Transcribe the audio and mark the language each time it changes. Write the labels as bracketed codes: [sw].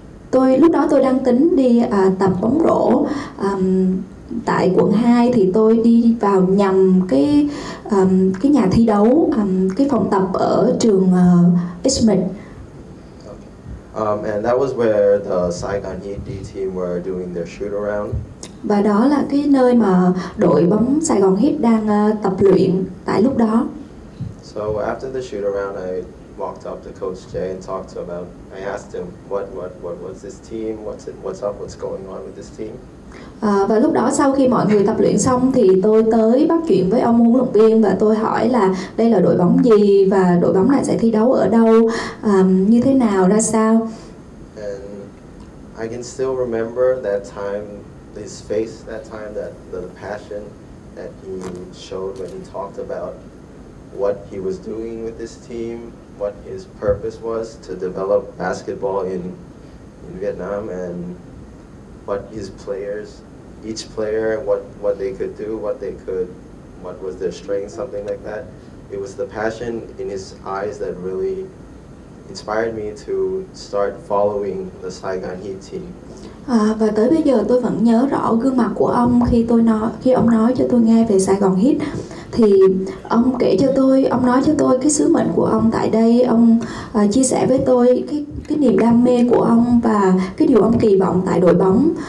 [vi] Tôi lúc đó tôi đang tính đi tập bóng rổ tại quận 2 thì tôi đi vào nhầm cái nhà thi đấu cái phòng tập ở trường Eastman. [en] And that was where the Saigon Heat D team were doing their shoot around. [vi] Và đó là cái nơi mà đội bóng Saigon Heat đang tập luyện tại lúc đó. [en] So after the shoot around, I walked up to Coach Jay and talked to him about. I asked him what was this team? What's up? What's going on with this team? [vi] Và lúc đó sau khi mọi người tập luyện xong thì tôi tới bắt chuyện với ông huấn luyện viên và tôi hỏi là đây là đội bóng gì và đội bóng này sẽ thi đấu ở đâu, như thế nào, ra sao. [en] And I can still remember that time, his face that time, that the passion that he showed when he talked about what he was doing with this team, what his purpose was to develop basketball in Vietnam and what his players, each player, what they could do, what was their strength, something like that. It was the passion in his eyes that really inspired me to start following the Saigon Heat team. [vi] Và tới bây giờ tôi vẫn nhớ rõ gương mặt của ông khi ông nói cho tôi nghe về Saigon Heat. Thì ông kể cho tôi, ông nói cho tôi cái sứ mệnh của ông tại đây, ông chia sẻ với tôi cái niềm đam mê của ông và cái điều ông kỳ vọng tại đội bóng.